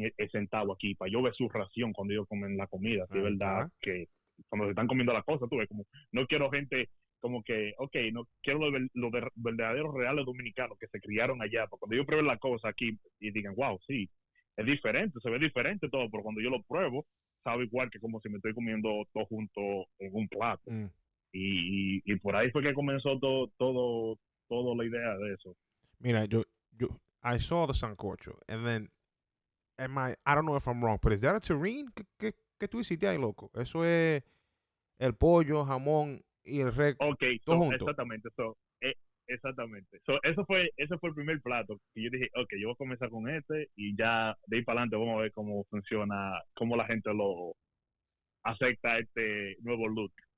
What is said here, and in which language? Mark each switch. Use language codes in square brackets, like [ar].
[es] sentado aquí, para yo ver su reacción cuando ellos comen la comida, de verdad, que cuando se están comiendo las cosas, tú ves, como, no quiero gente como que, ok, no quiero los verdaderos reales dominicanos que se criaron allá, pero cuando yo pruebo la cosa aquí y digan, wow, sí, es diferente, se ve diferente todo, pero cuando yo lo pruebo, sabe igual que como si me estoy comiendo todo junto en un plato. Y por ahí fue que comenzó todo la idea de eso. Mira, yo [en] I saw the sancocho, and then I don't know if I'm wrong, but is that a terrine? [es] ¿Qué tú hiciste ahí, loco? Eso es el pollo, jamón y el rec. Okay, todo junto. Exactamente. Ese fue el primer plato. Y yo dije, okay, yo voy a comenzar con este y ya de ahí para adelante vamos a ver cómo funciona, cómo la gente lo acepta este nuevo look.